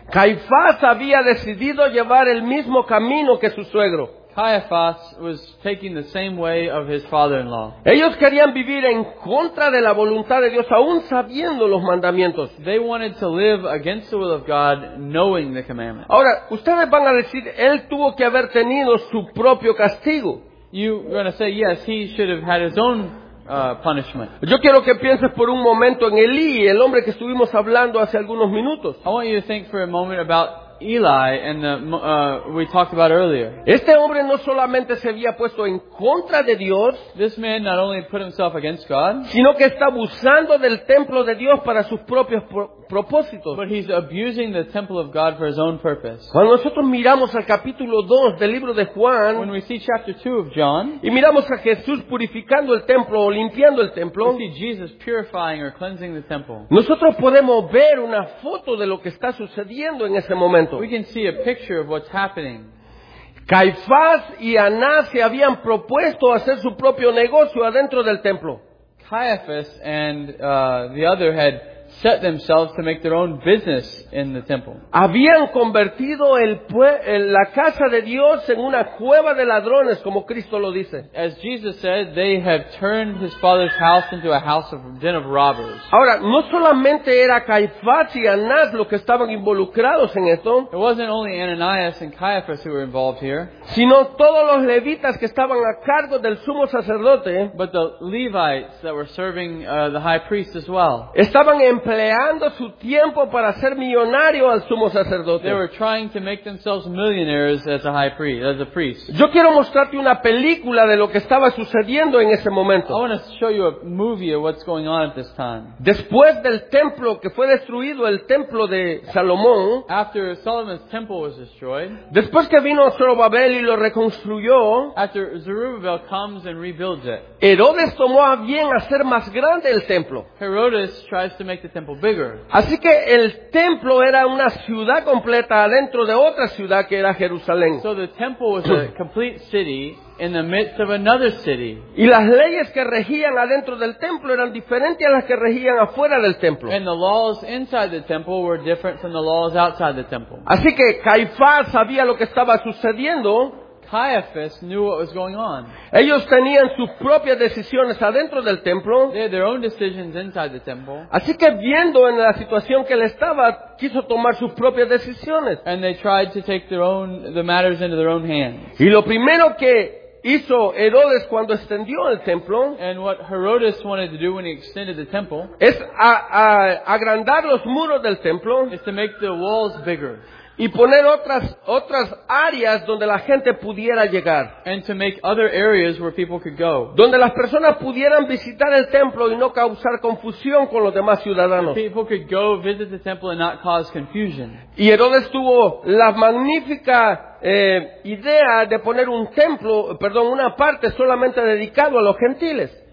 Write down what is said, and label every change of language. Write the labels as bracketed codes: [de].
[es] Caifás había decidido llevar el mismo camino que su suegro. [en] Caiaphas was taking the same way of his father-in-law. [es] Ellos querían vivir en contra de la voluntad de Dios, aún sabiendo los mandamientos. [en] They wanted to live against the will of God, knowing the commandments. [es] Ahora, ustedes van a decir, él tuvo que haber tenido su propio castigo. [en] You're going to say, yes, he should have had his own punishment. [es] Yo quiero que pienses por un momento en Elí, el hombre que estuvimos hablando hace algunos minutos. [en] I want you to think for a moment about Eli and the we talked about earlier. [es] Este hombre no solamente se había puesto en contra de Dios, [en] this man not only put himself against God, [es] sino que está abusando del templo de Dios para sus propios propósitos. [en] But he's abusing the temple of God for his own purpose. [es] Cuando nosotros miramos al capítulo 2 del libro de Juan, [en] when we see chapter 2 of John, [es] y miramos a Jesús purificando el templo o limpiando el templo, [en] we see Jesus purifying or cleansing the temple. [es] Nosotros podemos ver una foto de lo que está sucediendo en ese momento. [en] We can see a picture of what's happening. [es] Caifás y Anás se habían propuesto hacer su propio negocio adentro del templo. [en] Caiaphas and the other had set themselves to make their own business in the temple. [es] Habían convertido la casa de Dios en una cueva de ladrones, como Cristo lo dice. [en] As Jesus said, they have turned his father's house into a house of den of robbers. [es] Ahora, no solamente era Caifás y Anás los que estaban involucrados en esto. [en] It wasn't only Ananias and Caiaphas who were involved here. [es] Sino todos los levitas que estaban a cargo del sumo sacerdote. [en] But the Levites that were serving the high priest as well. [es] Estaban empleando su tiempo para ser millonario al sumo sacerdote. [en] They were trying to make themselves millionaires as a high priest, as a priest. [es] Yo quiero mostrarte una película de lo que estaba sucediendo en ese momento. [en] I want to show you a movie of what's going on at this time. [es] Después del templo que fue destruido, el templo de Salomón, [en] after Solomon's temple was destroyed, [es] después que vino Zorobabel y lo reconstruyó, [en] after Zerubbabel comes and rebuilds it, [es] Herodes tomó a bien hacer más grande el templo. [en] Herodes tries to make the temple bigger. [es] Así que el templo era una ciudad completa adentro de otra ciudad que era Jerusalén. [en] So the temple was a complete city in the midst of another city. [es] Y las leyes que regían adentro del templo eran diferentes a las que regían afuera del templo. [en] And the laws inside the temple were different from the laws outside the temple. [es] Así que Caifás sabía lo que estaba sucediendo. [en] Caiaphas knew what was going on. [es] Ellos tenían sus propias decisiones adentro del templo. [en] They had their own decisions inside the temple. [es] Así que viendo en la situación que él estaba, quiso tomar sus propias decisiones. [en] And they tried to take the matters into their own hands. [es] Y lo primero que hizo Herodes cuando extendió el templo, [en] and what Herodes wanted to do when he extended the temple, [es] es agrandar los muros del templo, [en] is to make the walls bigger, [es] y poner otras áreas donde la gente pudiera llegar, [en] and to make other areas where people could go, [es] donde las personas pudieran visitar el templo y no causar confusión con los demás ciudadanos. [en] People could go visit the temple and not cause confusion. [es] Y Herodes tuvo la magnífica idea de poner un templo, perdón, una parte solamente dedicado a los gentiles.